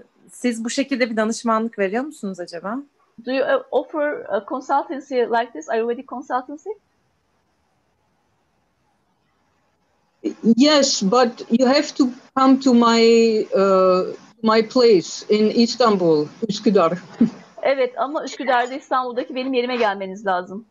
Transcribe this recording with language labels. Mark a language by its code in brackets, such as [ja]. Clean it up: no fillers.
[tr] Siz bu şekilde bir danışmanlık veriyor musunuz acaba? [en] Do you offer a consultancy like this, Ayurvedic consultancy? Yes, but you have to come to my place in Istanbul, Üsküdar. [tr] Evet, ama Üsküdar'da, İstanbul'daki benim yerime gelmeniz lazım.